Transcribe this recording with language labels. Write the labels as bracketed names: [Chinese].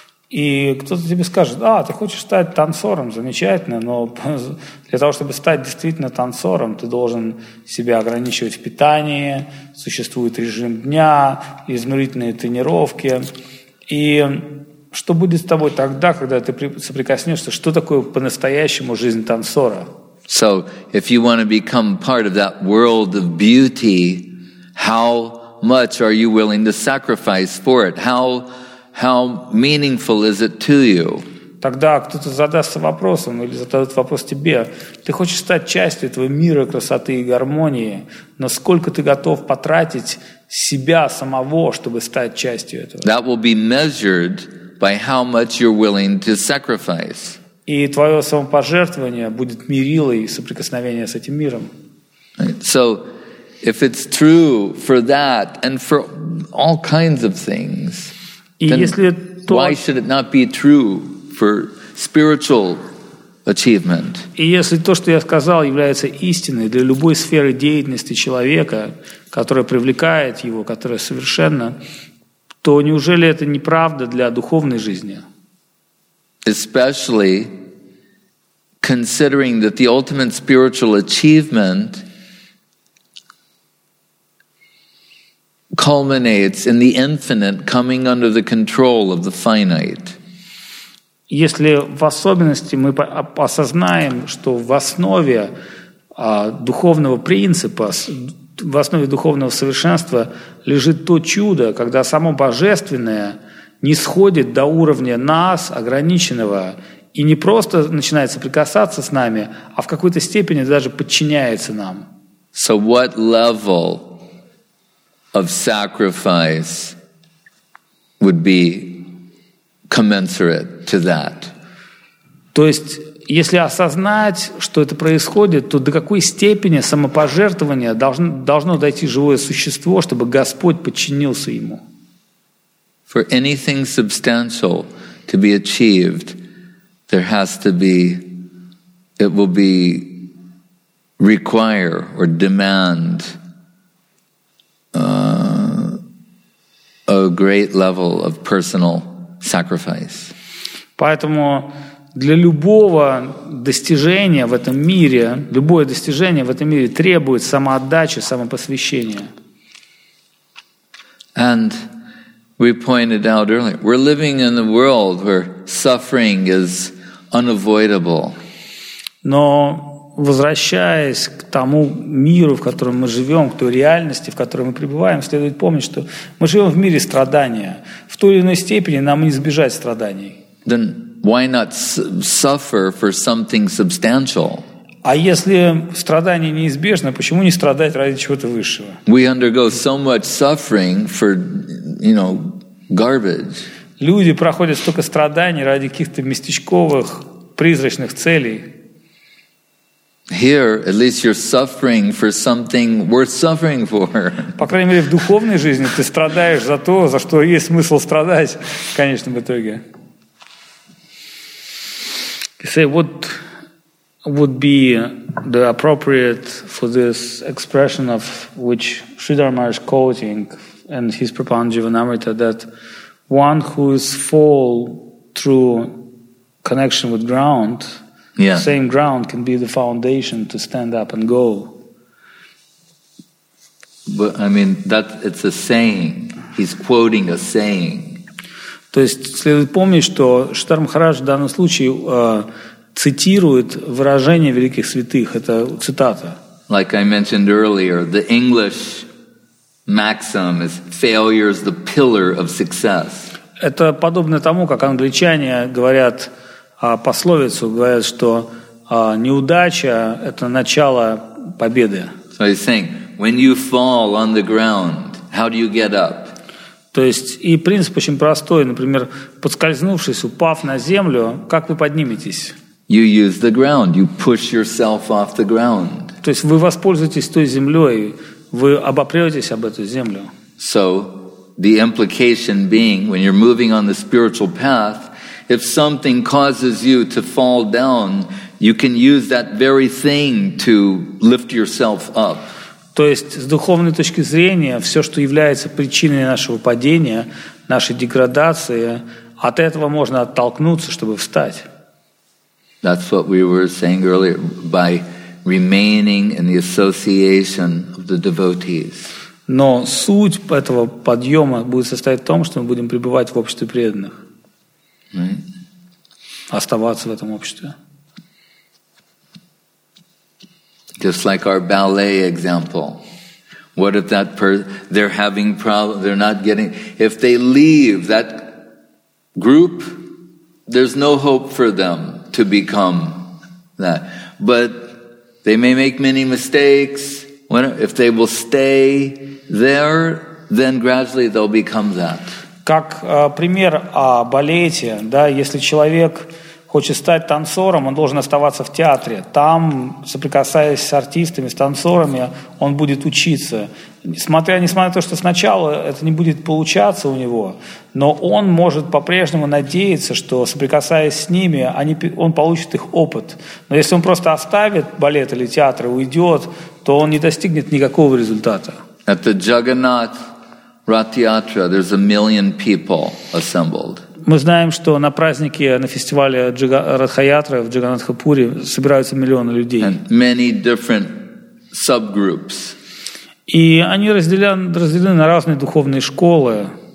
[Russian] И кто-то тебе скажет, а, ты хочешь стать танцором, замечательно, но для того, чтобы стать действительно танцором, ты должен себя ограничивать в питании, существует режим дня, изнурительные тренировки. И что будет с тобой тогда, когда ты соприкоснешься, что такое по-настоящему жизнь танцора? [English] So, if you want to become part of that world of beauty, how much are you willing to sacrifice for it? How meaningful is it to you? [Russian] Тогда кто-то задастся вопросом или задает вопрос тебе. Ты хочешь стать частью этого мира красоты и гармонии, но сколько ты готов потратить себя самого, чтобы стать частью этого? [English] That will be measured by how much you're willing to sacrifice. [Russian] И твое самопожертвование будет мерилой соприкосновения с этим миром. [English] Right. So, if it's true for that and for all kinds of things, why should it not be true for spiritual achievement? [Russian] И если то, что я сказал, является истиной для любой сферы деятельности человека, которая привлекает его, которая совершенна, то неужели это не правда для духовной жизни? [English] Especially considering that the ultimate spiritual achievement culminates in the infinite coming under the control of the finite. [Russian] Если в особенности мы осознаем, что в основе духовного принципа, в основе духовного совершенства лежит то чудо, когда само божественное нисходит до уровня нас, ограниченного, и не просто начинает соприкасаться с нами, а в какой-то степени даже подчиняется нам. [English] So what level of sacrifice would be commensurate to that. [Russian] То есть, если осознать, что это происходит, то до какой степени самопожертвование должно дойти живое существо, чтобы Господь подчинился ему? [English] For anything substantial to be achieved, there has to be, it will be require or demand a great level of personal sacrifice. [Russian] Поэтому для любого достижения в этом мире, любое достижение в этом мире требует самоотдачи, самопосвящения. [English] And we pointed out earlier, we're living in a world where suffering is unavoidable. [Russian] Но возвращаясь к тому миру, в котором мы живем, к той реальности, в которой мы пребываем, следует помнить, что мы живем в мире страдания. В той или иной степени нам не избежать страданий. [English] Then why not suffer for something substantial? [Russian] А если страдание неизбежно, почему не страдать ради чего-то высшего? [English] We undergo so much suffering for, you know, garbage. [Russian] Люди проходят столько страданий ради каких-то местечковых, призрачных целей. [English] Here, at least you're suffering for something worth suffering for. [Russian] По крайней мере, в духовной жизни ты страдаешь за то, за что есть смысл страдать в конечном итоге. [English] You say, what would be the appropriate for this expression of which Sridhar Maharaj is quoting in his Prapanna Jivanamrita, that one who is full through connection with ground, yeah, the same ground can be the foundation to stand up and go. But I mean, that it's a saying. He's quoting a saying. [Russian] То есть, следует помнить, что Шридхар Махарадж в данном случае цитирует выражение великих святых. Это цитата. [English] Like I mentioned earlier, the English maxim is failure is the pillar of success. [Russian] Это подобно тому, как англичане говорят пословицу, говорят, что неудача – это начало победы. [English] So he's saying, when you fall on the ground, how do you get up? [Russian] То есть, и принцип очень простой. Например, подскользнувшись, упав на землю, как вы подниметесь? [English] You use the ground. You push yourself off the ground. [Russian] То есть, вы воспользуетесь той землей, вы обопретесь об эту землю. [English] So, the implication being, when you're moving on the spiritual path, if something causes you to fall down, you can use that very thing to lift yourself up. [Russian] То есть, с духовной точки зрения, все, что является причиной нашего падения, нашей деградации, от этого можно оттолкнуться, чтобы встать. [English] That's what we were saying earlier, by remaining in the association of the devotees. [Russian] Но суть этого подъема будет состоять в том, что мы будем пребывать в обществе преданных. [English] Right. [Russian] Оставаться в этом обществе. [English] Just like our ballet example. What if that person, they're having problems, they're not getting, if they leave that group, there's no hope for them to become that. But they may make many mistakes. If they will stay there, then gradually they'll become that. [Russian] Как пример о балете, да, если человек хочет стать танцором, он должен оставаться в театре. Там, соприкасаясь с артистами, с танцорами, он будет учиться. Несмотря на то, что сначала это не будет получаться у него, но он может по-прежнему надеяться, что, соприкасаясь с ними, он получит их опыт. Но если он просто оставит балет или театр и уйдет, то он не достигнет никакого результата. Это [English] Jagannath Rathyatra, there's a million people assembled. [Russian] Мы знаем, что на празднике, на фестивале Радхаятры в Джаганатхапуре собираются миллионы людей. [English] And many different subgroups. [Russian] И они разделены на разные духовные школы.